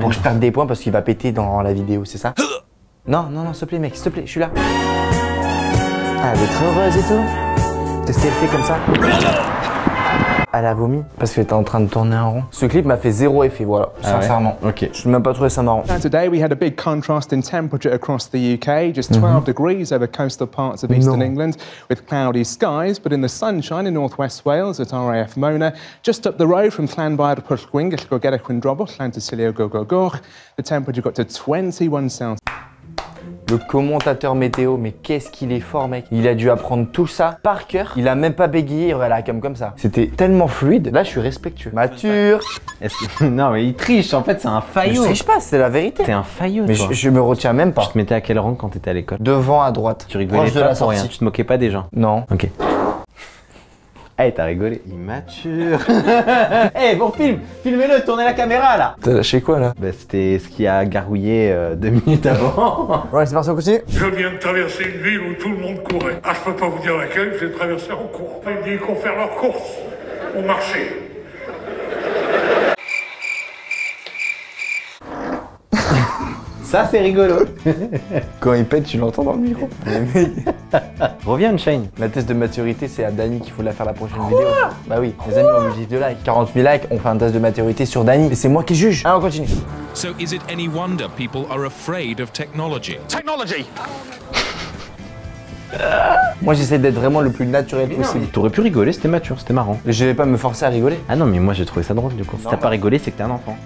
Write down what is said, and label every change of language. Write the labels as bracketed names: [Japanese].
[French] pour que je perde des points parce qu'il va péter dans la vidéo, c'est ça? Non, non, non, s'il te plaît, mec, s'il te plaît, je suis là. Ah, elle est très heureuse et tout. Qu'est-ce qu'elle fait comme ça? Elle a vomi parce qu'elle était en train de tourner en rond. Ce clip m'a fait zéro effet, voilà, sincèrement. Ah ouais? Ok. Je n'ai même pas trouvé ça marrant. [English] Today we had a big contrast in temperature across the UK, just 12 degrees over coastal parts of eastern England, with cloudy skies, but in the sunshine in northwest Wales at RAF Mona, just up the road from Llanfair Pwllgwyng, gallwch chi gweld y gwyndrobwll, Llantysilio Gogogoch, the temperature got to 21 Celsius. [French] Le commentateur météo, mais qu'est-ce qu'il est fort, mec. Il a dû apprendre tout ça par cœur. Il a même pas bégayé, voilà, comme ça. C'était tellement fluide. Là, je suis respectueux. Mature. Est-ce que... Non, mais il triche, en fait, c'est un faillot. Mais je triche pas, c'est la vérité. T'es un faillot, mais toi. Mais je me retiens même pas. Tu te mettais à quel rang quand t'étais à l'école? Devant, à droite. Tu rigolais proche pas de la pour sortie. Rien. Tu te moquais pas des gens? Non. Ok. Hey, t'as rigolé. Immature. Hey, bon film. Filmez-le, tournez la caméra, là. T'as lâché quoi, là? Bah, c'était ce qui a gargouillé 2 minutes avant. Ouais, c'est parti, on continue. Je viens de traverser une ville où tout le monde courait. Ah, je peux pas vous dire laquelle, j'ai traversé en cours. Ils me disent qu'on fait leur course. On marchait. Ça, c'est rigolo. Quand il pète, tu l'entends dans le micro. Reviens, Unchain. La test de maturité, c'est à Dany qu'il faut la faire la prochaine Quoi vidéo. Bah oui, Quoi les amis, on me dit de likes. 40 000 likes, on fait un test de maturité sur Dany. Et c'est moi qui juge. Allez, on continue. [English] So is it any wonder people are afraid of technology? Technology. [French] Moi, j'essaie d'être vraiment le plus naturel possible. T'aurais pu rigoler, c'était mature, c'était marrant. Je vais pas me forcer à rigoler. Ah non, mais moi j'ai trouvé ça drôle du coup. Si t'as pas rigolé, c'est que t'es un enfant.